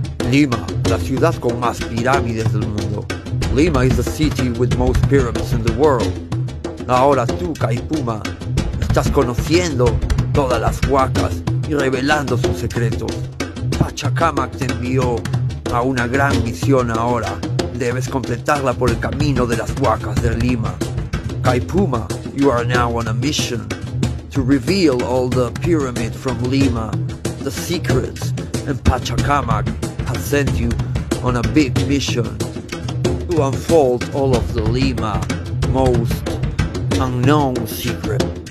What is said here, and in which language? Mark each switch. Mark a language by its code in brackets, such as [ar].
[es] Lima, la ciudad con más pirámides del mundo. [en] Lima is the city with most pyramids in the world. [es] Ahora tú, Caipuma, estás conociendo todas las huacas y revelando sus secretos. Pachacamac te envió a una gran misión ahora. Debes completarla por el camino de las huacas de Lima. [en] Caipuma, you are now on a mission to reveal all the pyramids from Lima, the secrets, and Pachacamac has sent you on a big mission to unfold all of the Lima most unknown secret.